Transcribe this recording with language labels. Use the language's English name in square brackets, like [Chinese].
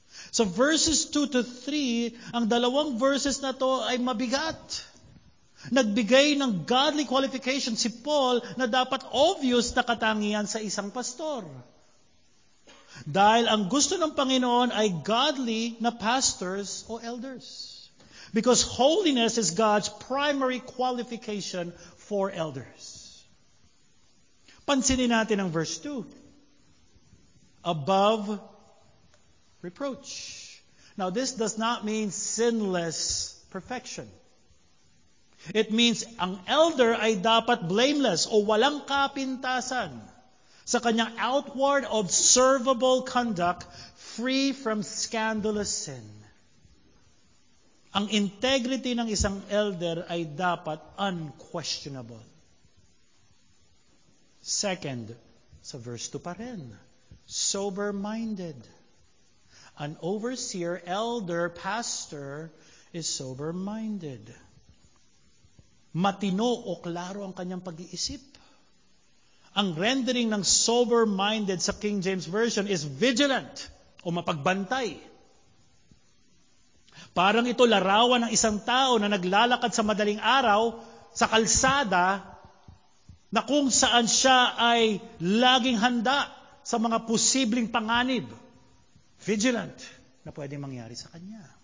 [Filipino] So verses 2 to 3, ang dalawang verses na to ay mabigat. Nagbigay ng godly qualification si Paul na dapat obvious na katangian sa isang pastor. Dahil ang gusto ng Panginoon ay godly na pastors o elders. [English] Because holiness is God's primary qualification for elders. [Filipino] Pansinin natin ang verse 2. Above reproach. [English] Now this does not mean sinless perfection. [Filipino] It means ang elder ay dapat blameless o walang kapintasan sa kanyang outward observable conduct, free from scandalous sin. Ang integrity ng isang elder ay dapat unquestionable. Second, sa verse 2 pa rin, sober-minded. [English] An overseer, elder, pastor is sober-minded. [Filipino] Matino o klaro ang kanyang pag-iisip. Ang rendering ng sober-minded sa King James Version is vigilant o mapagbantay. Parang ito larawan ng isang tao na naglalakad sa madaling araw sa kalsada na kung saan siya ay laging handa sa mga posibleng panganib. Vigilant na pwede mangyari sa kanya.